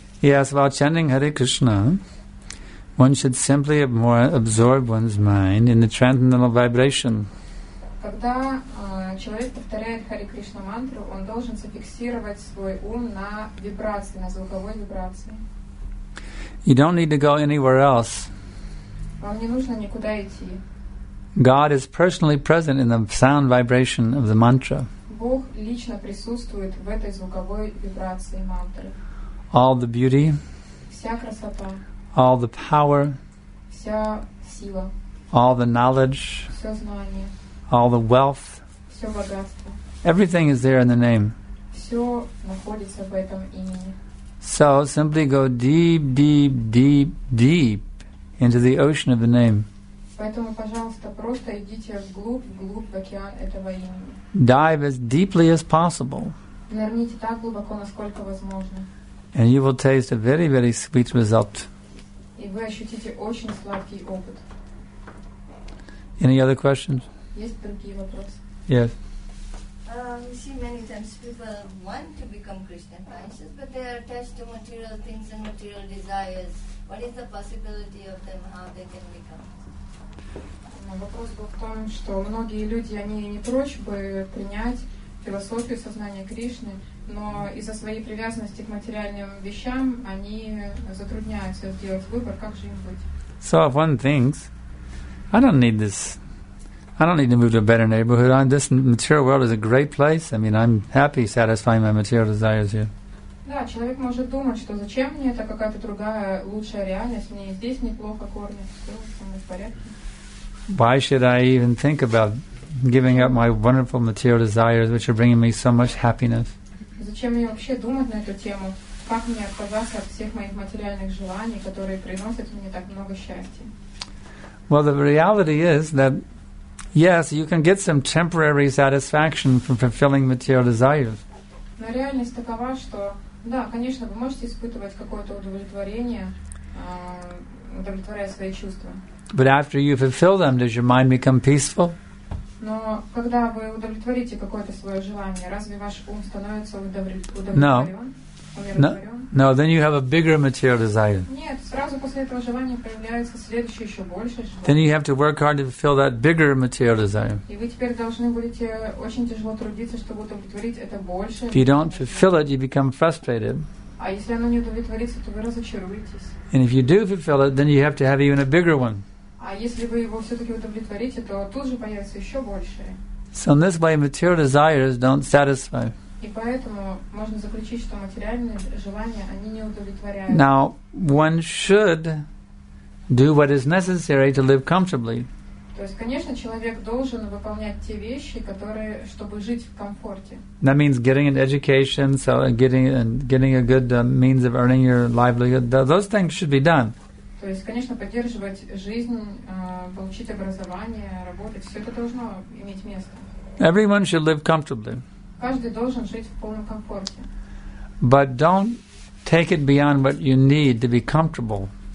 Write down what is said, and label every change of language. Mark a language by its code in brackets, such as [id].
[en] Yes, while chanting Hare Krishna, one should simply more absorb one's mind in the transcendental vibration. [ru] Когда человек повторяет Хари Кришна мантру, он должен зафиксировать свой ум на вибрации, на звуковой вибрации. [en] You don't need to go anywhere else. [ru] Вам не нужно никуда идти. [en] God is personally present in the sound vibration of the mantra. [ru] Бог лично присутствует в этой звуковой вибрации мантры. [en] All the beauty. [ru] Вся красота. [en] All the power. [ru] Вся сила. [en] All the knowledge. [ru] Все знание. [en] All the wealth. [ru] Все богатство. [en] Everything is there in the name. [ru] Все находится в этом имени. [en] So simply go deep, deep, deep, deep into the ocean of the name. [ru] Поэтому, пожалуйста, просто идите вглубь в океан этого имени. [en] Dive as deeply as possible. [ru] Нырните так глубоко, насколько возможно. [en] And you will taste a very, very sweet result. [ru] И вы ощутите очень сладкий опыт. [en] Any other questions? [ru] Есть другие вопросы? [en] Yes. You see, many times people want to become Krishna conscious, but they are attached to material things and material desires. What is the possibility of them? How they can become? [ru] Вопрос был в том, что многие люди они не прочь бы принять философию сознания Кришны, но из-за своей привязанности к материальным вещам они затрудняются сделать выбор, как же им быть. [en] So if one thinks, I don't need this. I don't need to move to a better neighborhood. This material world is a great place. I mean, I'm happy satisfying my material desires here. [ru] Да, человек может думать, что зачем мне это какая-то другая лучшая реальность? Мне здесь неплохо кормят, все в порядке. [en] Why should I even think about giving up my wonderful material desires, which are bringing me so much happiness? [ru] Зачем мне вообще думать на эту тему? Как мне отказаться от всех моих материальных желаний, которые приносят мне так много счастья? [en] Well, the reality is that yes, you can get some temporary satisfaction from fulfilling material desires. [ru] Но реальность такова, что да, конечно, вы можете испытывать какое-то удовлетворение, удовлетворяя свои чувства. [en] But after you fulfill them, does your mind become peaceful? [ru] Но когда вы удовлетворите какое-то свое желание, разве ваш ум становится удовлетворен? [en] No. No, then you have a bigger material desire. [ru] Нет, сразу после этого желания появляется следующее еще больше. [en] Then you have to work hard to fulfill that bigger material desire. [ru] И вы теперь должны будете очень тяжело трудиться, чтобы удовлетворить это больше. [en] If you don't fulfill it, you become frustrated. [ru] А если оно не удовлетворится, то вы разочаруетесь. [en] And if you do fulfill it, then you have to have even a bigger one. [ru] А если вы его все-таки удовлетворите, то тут же появится еще больше. [en] So in this way, material desires don't satisfy. [ru] И поэтому можно заключить, что материальные желания, они не удовлетворяют. [en] Now, one should do what is necessary to live comfortably. [ru] То есть, конечно, человек должен выполнять те вещи, которые, чтобы жить в комфорте. [en] That means getting an education, so getting a good means of earning your livelihood. Those things should be done. [ru] То есть, конечно, поддерживать жизнь, получить образование, работать, все это должно иметь место. [en] Everyone should live comfortably. [ru] Каждый должен жить в полном комфорте. [en] But don't take it beyond what you need to be comfortable.